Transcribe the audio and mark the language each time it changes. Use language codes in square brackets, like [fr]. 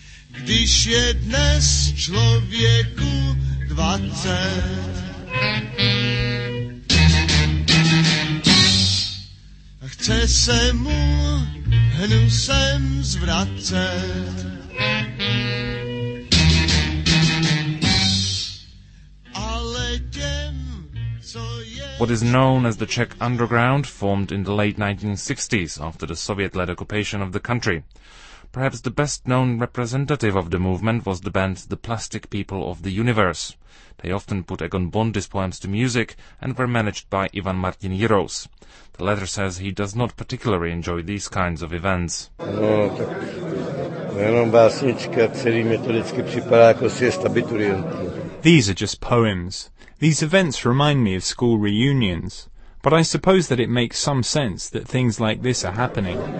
[cs] Když je dnes člověku 20, chce se mu hnusem zvracet, ale těm, co je... [en] What is known as the Czech underground formed in the late 1960s after the Soviet-led occupation of the country. Perhaps the best-known representative of the movement was the band The Plastic People of the Universe. They often put Egon Bondy's poems to music and were managed by Ivan Martin Jiroz. The letter says he does not particularly enjoy these kinds of events. [cs] No, tak jenom básnička, celý mě to vždycky připadá jako sjezd abiturientů. [en] These are just poems. These events remind me of school reunions. But I suppose that it makes some sense that things like this are happening.